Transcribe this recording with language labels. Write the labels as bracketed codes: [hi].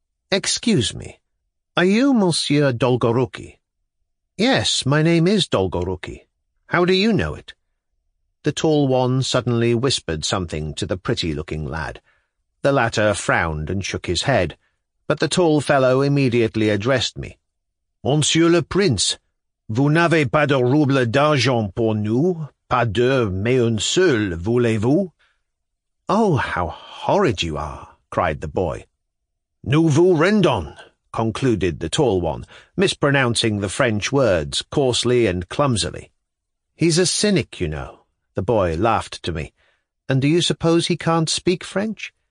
[en] "Excuse me, are you Monsieur Dolgoruki?" "Yes, my name is Dolgoruki. How do you know it?" The tall one suddenly whispered something to the pretty-looking lad. The latter frowned and shook his head, but the tall fellow immediately addressed me. [fr] "Monsieur le Prince, vous n'avez pas de rouble d'argent pour nous, pas deux, mais un seul, voulez-vous?" [en] "Oh, how horrid you are," cried the boy. [fr] "Nous vous rendons," [en] concluded the tall one, mispronouncing the French words coarsely and clumsily. "He's a cynic, you know," the boy laughed to me. "And do you suppose he can't speak French?